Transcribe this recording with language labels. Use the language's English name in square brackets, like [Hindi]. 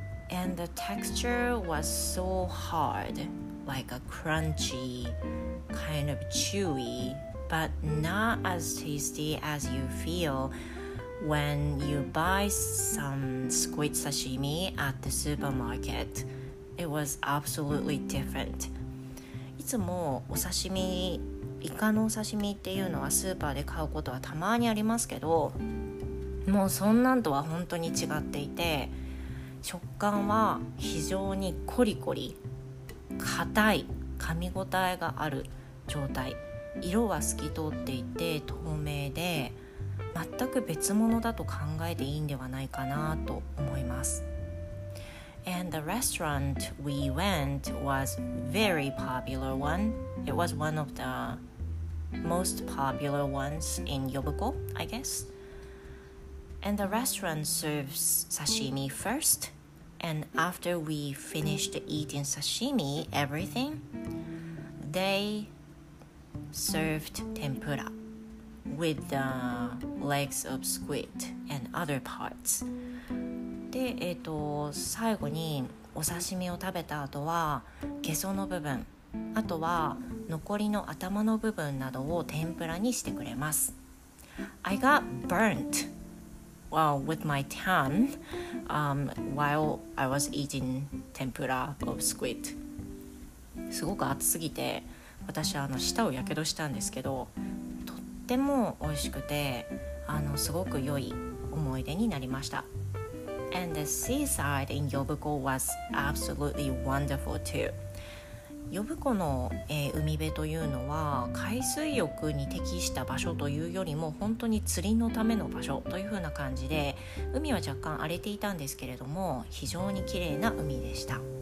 [English] And the texture was so hard, like a crunchy, kind of chewy, but not as tasty as you feel when you buy some squid sashimi at the supermarket. It was absolutely different. [Japanese] いつもお刺身、イカのお刺身っていうのはスーパーで買うことはたまにありますけど、もうそんなんとは本当に違っていて、食感は非常にコリコリ、硬い、噛み応えがある状態。色は透き通っていて透明で、全く別物だと考えていいんではないかなと思います。 [English] And the restaurant we went was very popular one. It was one of the most popular ones in Yobuko, I guess. And the restaurant serves sashimi first. And after we finished eating sashimi, everything, they served tempura with the legs of squid and other parts. [Japanese] で、最後にお刺身を食べた後はゲソの部分、あとは残りの頭の部分などを天ぷらにしてくれます。 [English] I got burnt with my tan while I was eating tempura of squid. [Japanese] すごく熱すぎて私は舌をやけどしたんですけど、とっても美味しくてすごく良い思い出になりました。 [English] And the seaside in Yobuko was absolutely wonderful too. [Japanese] Yobuko の、海辺というのは海水浴に適した場所というよりも本当に釣りのための場所というふうな感じで、海は若干荒れていたんですけれども非常に綺麗な海でした。